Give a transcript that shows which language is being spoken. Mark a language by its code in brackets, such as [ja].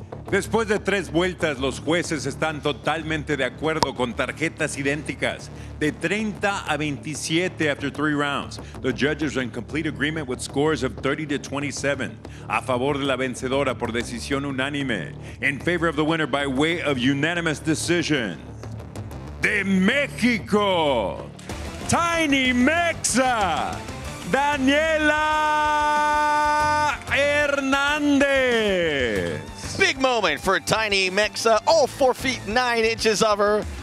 [es] Después de tres vueltas, los jueces están totalmente de acuerdo con tarjetas idénticas. De 30 a 27 [en] after three rounds, the judges are in complete agreement with scores of 30 to 27. [es] A favor de la vencedora por decisión unánime. [en] In favor of the winner by way of unanimous decision. [es] De México, Tiny Mexa, Daniela Hernandez. [en] Big moment for Tiny Mexa, all 4 feet, 9 inches of her.